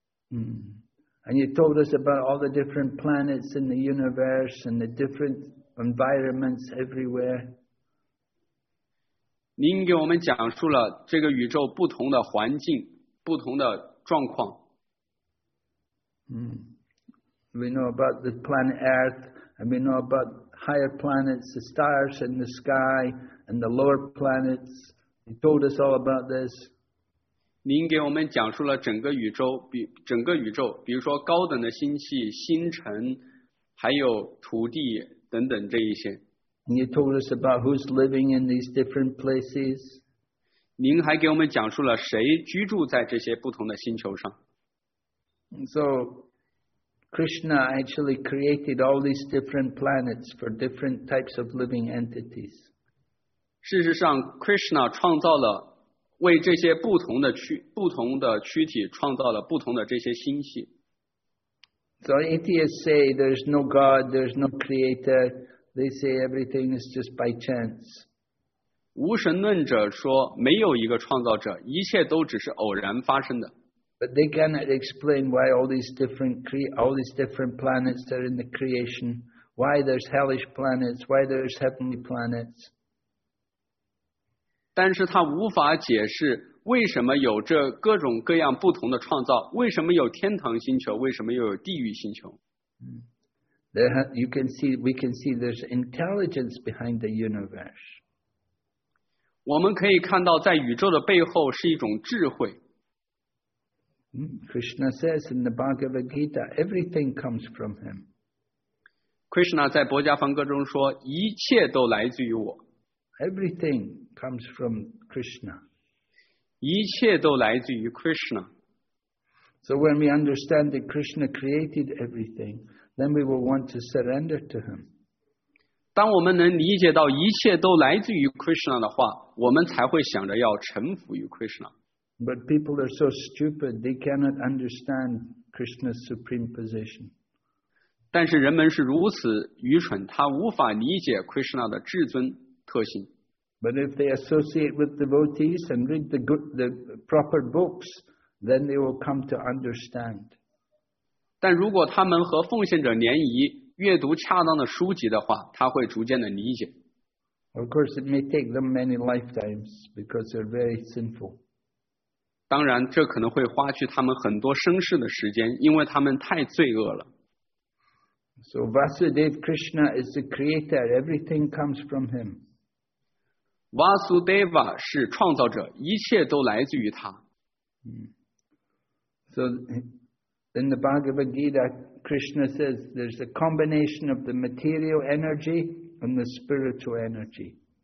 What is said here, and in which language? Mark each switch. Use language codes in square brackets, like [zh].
[en] And you told us about all the different planets in the universe and the different... environments everywhere. [zh] 您给我们讲述了这个宇宙不同的环境，不同的状况。 [en] We know about the planet Earth, and we know about higher planets, the stars in the sky, and the lower planets. You told us all about this. [zh] 您给我们讲述了整个宇宙，比如说高等的星系、星辰，还有土地。等等这一些。 [en] And you told us about who's living in these different places. [zh] 您还给我们讲述了谁居住在这些不同的星球上。 [en] And so, Krishna actually created all these different planets for different types of living entities. [zh] 事实上 ,Krishna 创造了为这些不同的躯体创造了不同的这些星系。 [en] So atheists say there's no God, there's no creator. They say everything is just by chance. [zh] 无神论者说没有一个创造者，一切都只是偶然发生的。 [en] But they cannot explain why all these different planets are in the creation. Why there's hellish planets? Why there's heavenly planets? [zh] 但是他无法解释。为什么有这各种各样不同的创造？为什么有天堂星球？为什么又有地狱星球？ [en] We can see there's intelligence behind the universe. [zh] 我们可以看到在宇宙的背后是一种智慧。 [en] Krishna says in the Bhagavad Gita, everything comes from him. [zh] Krishna 在《薄伽梵歌》中说，一切都来自于我。 [en] Everything comes from Krishna. [zh] 一切都来自于 Krishna. [en] So when we understand that Krishna created everything, then we will want to surrender to him. [zh] 当我们能理解到一切都来自于 Krishna 的话，我们才会想着要臣服于 Krishna. [en] But people are so stupid, they cannot understand Krishna's supreme position. [zh] 但是人们是如此愚蠢，他无法理解 Krishna 的至尊特性。 [en] But if they associate with devotees and read the proper books, then they will come to understand. [zh] 但如果他们和奉献者联谊，阅读恰当的书籍的话，他会逐渐的理解。 [en] Of course, it may take them many lifetimes because they're very sinful. [zh] 当然，这可能会花去他们很多生世的时间，因为他们太罪恶了。 [en] So Vasudev Krishna is the creator; everything comes from him. [zh] Vasudeva 是创造者，一切都来自于他。 [en] So in the Bhagavad Gita, Krishna says there's a combination of the material energy and the spiritual energy.